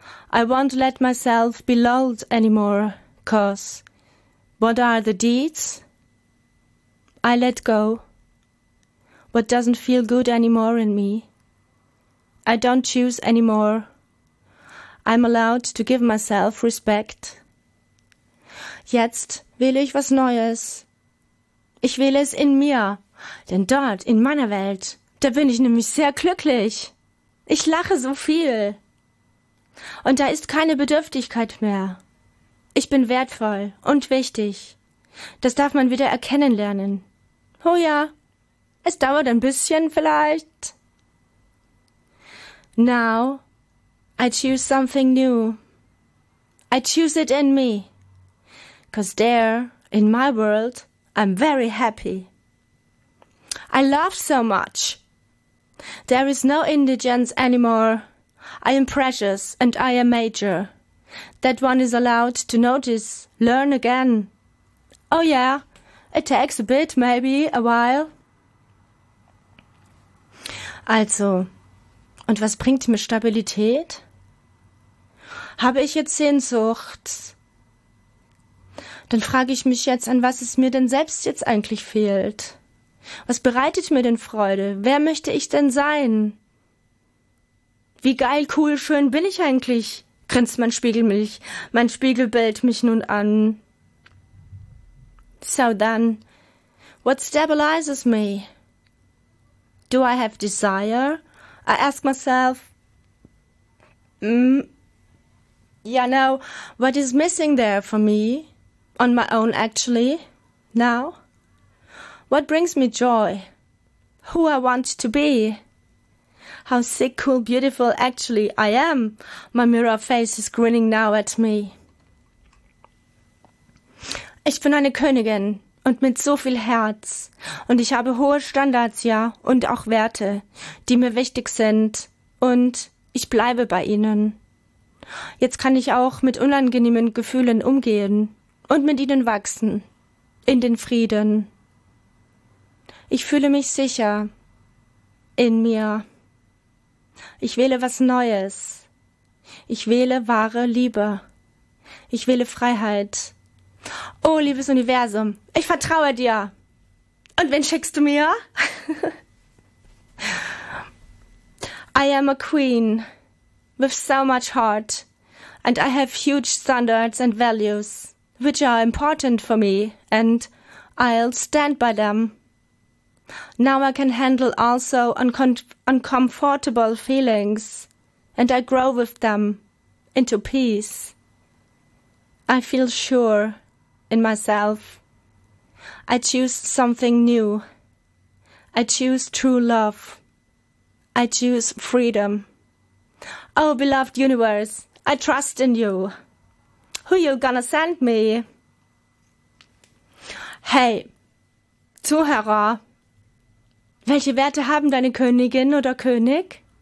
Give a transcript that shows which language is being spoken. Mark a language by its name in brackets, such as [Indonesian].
[English] I won't let myself be lulled anymore, 'cause what are the deeds? I let go. What doesn't feel good anymore in me? I don't choose anymore. I'm allowed to give myself respect. [German] Jetzt wähle ich was Neues. Ich wähle es in mir, denn dort, in meiner Welt, da bin ich nämlich sehr glücklich. Ich lache so viel. Und da ist keine Bedürftigkeit mehr. Ich bin wertvoll und wichtig. Das darf man wieder erkennen lernen. Oh ja, es dauert ein bisschen vielleicht. [English] Now I choose something new. I choose it in me. 'Cause there, in my world, I'm very happy. I love so much. There is no indigence anymore. I am precious and I am major. That one is allowed to notice, learn again. Oh yeah, it takes a bit, maybe, a while. [German] Also, und was bringt mir Stabilität? Habe ich jetzt Sehnsucht? Dann frage ich mich jetzt, an was es mir denn selbst jetzt eigentlich fehlt. Was bereitet mir denn Freude? Wer möchte ich denn sein? Wie geil, cool, schön bin ich eigentlich? Grinst mein Spiegel mich. Mein Spiegelbild mich nun an. [English] So then, what stabilizes me? Do I have desire? I ask myself. Yeah, no, what is missing there for me? On my own, actually, now? What brings me joy? Who I want to be? How sick, cool, beautiful, actually, I am. My mirror face is grinning now at me. [German] Ich bin eine Königin und mit so viel Herz. Und ich habe hohe Standards, ja, und auch Werte, die mir wichtig sind. Und ich bleibe bei ihnen. Jetzt kann ich auch mit unangenehmen Gefühlen umgehen. Und mit ihnen wachsen, in den Frieden. Ich fühle mich sicher, in mir. Ich wähle was Neues. Ich wähle wahre Liebe. Ich wähle Freiheit. Oh, liebes Universum, ich vertraue dir. Und wen schickst du mir? [English] I am a queen, with so much heart, and I have huge standards and values. Which are important for me, and I'll stand by them. Now I can handle also uncomfortable feelings, and I grow with them into peace. I feel sure in myself. I choose something new. I choose true love. I choose freedom. Oh, beloved universe, I trust in you. Who you gonna send me? [German] Hey, Zuhörer, welche Werte haben deine Königin oder König?